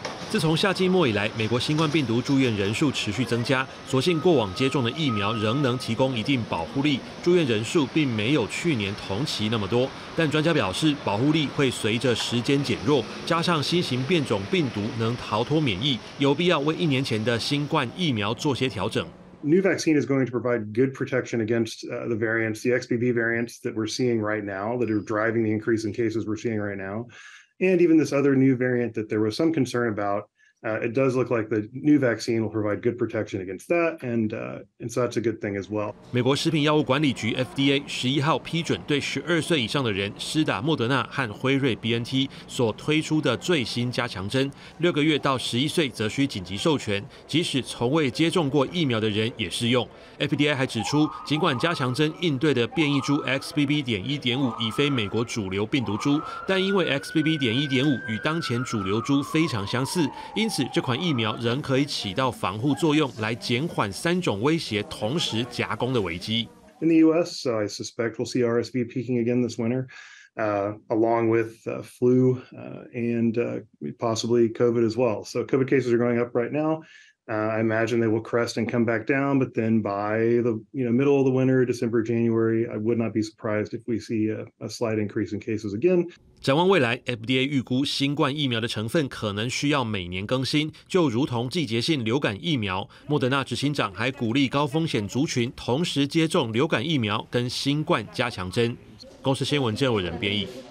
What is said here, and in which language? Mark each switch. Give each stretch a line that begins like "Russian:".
Chinese: 自从夏季末以来，美国新冠病毒住院人数持续增加，所幸过往接种的疫苗仍能提供一定保护力，住院人数并没有去年同期那么多。但专家表示，保护力会随着时间减弱，加上新型变种病毒能逃脱免疫，有必要为一年前的新冠疫苗做些调整。
English: New vaccine is going to provide good protection against the variants, the XBB variants that we're seeing right now, that are driving the increase in cases we're seeing right now. And even this other new variant that there was some concern about, it does look like the new vaccine will provide good protection against that, and so that's a good thing as well.
Chinese: 美国食品药物管理局 FDA 11号批准对12岁以上的人施打莫德纳和辉瑞 BNT 所推出的最新加强针，6个月到11岁则需紧急授权，即使从未接种过疫苗的人也适用。 FDA 还指出，尽管加强针应对的变异株 XBB.1.5 已非美国主流病毒株，但因为 XBB.1.5 与当前主流株非常相似，因此这款疫苗仍可以起到防护作用，来减缓三种威胁同时夹攻的危机。
English: In the U.S., I suspect we'll see RSV peaking again this winter, along with flu and possibly COVID as well. So COVID cases are going up right now. I imagine they will crest and come back down, but then by the middle of the winter, December, January, I would not be surprised if we see a slight increase in cases again.
Chinese: 展望未来 ，FDA 预估新冠疫苗的成分可能需要每年更新，就如同季节性流感疫苗。莫德纳执行长还鼓励高风险族群同时接种流感疫苗跟新冠加强针。公司新闻郑伟仁编译。